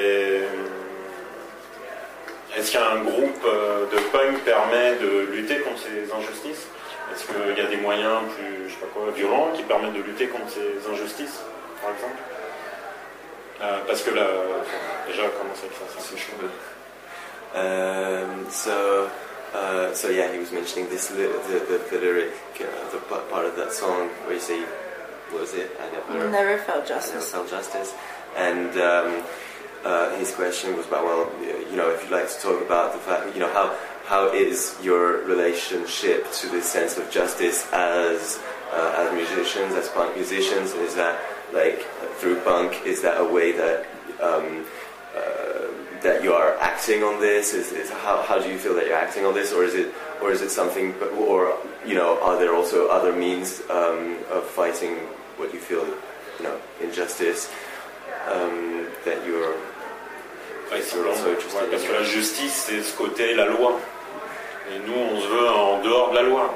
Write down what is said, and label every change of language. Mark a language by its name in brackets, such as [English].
[French] Et est-ce qu'un groupe de punk permet de lutter contre ces injustices? Est-ce qu'il y a des moyens plus, je sais pas quoi, violents qui permettent de lutter contre ces injustices, par exemple? Parce que là, déjà, comment ça fait ça? C'est chaud. [English] So yeah, he was mentioning this the lyric, the part of that song where you say, what was it? I never felt justice. I never felt justice. And his question was about, well, you know, if you'd like to talk about the fact, you know, how is your relationship to this sense of justice as musicians, as punk musicians? Is that, like, through punk, is that a way that that you are acting on this? Is how do you feel that you're acting on this, or is it something? Or, you know, are there also other means of fighting what you feel, you know, injustice that you're also interested in? [French] Parce que la justice, c'est ce côté la loi. Et nous, on se veut en dehors de la loi.